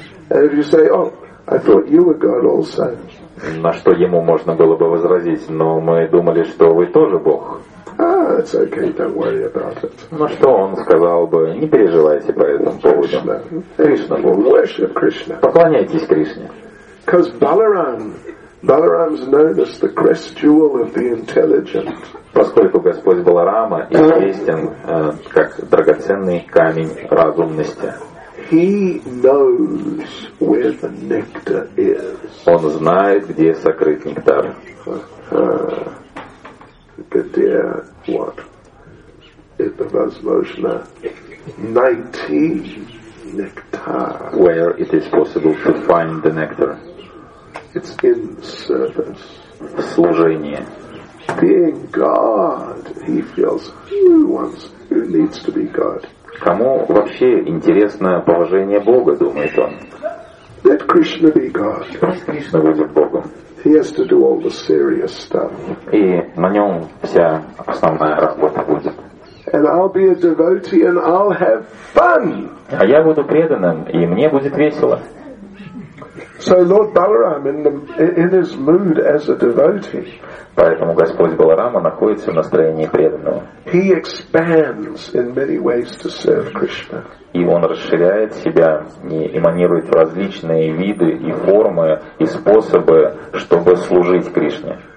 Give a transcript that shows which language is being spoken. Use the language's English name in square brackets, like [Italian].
[English] And if you say, oh, I thought you were God also. [Russian] На что ему можно было бы возразить, но мы думали, что вы тоже Бог. [English] Ah, it's okay, don't worry about it. [Russian] Ну что он сказал бы, не переживайте по этому поводу. Кришна Бог. [English] Worship Krishna. [Russian] Поклоняйтесь Кришне. [English] Because Balaram's known as the crest jewel of the intelligent. [Russian] Поскольку Господь Баларама известен как драгоценный камень разумности. [English] He knows where the nectar is. [Russian] Он знает, где сокрыт нектар. Где вот это возможно найти нектар? [English] Where it is possible to find the nectar? It's in service. [Russian] В служении. [English] Being God, he feels. Who wants? Who needs to be God? [Russian] Кому вообще интересно положение Бога, думает он? [English] Let Krishna be God. [Russian] Пусть Кришна будет Богом. [English] He has to do all the serious stuff. [Russian] И на нем вся основная работа будет. [English] And I'll be a devotee and I'll have fun. [Russian] А я буду преданным, и мне будет весело. [English] So Lord Balaram, in his mood as a devotee, [Russian] поэтому Господь Баларама находится в настроении преданного. [English] He expands in many ways to serve Krishna. [Russian] И он расширяет себя, и эманирует в различные виды и формы и способы, чтобы служить Кришне.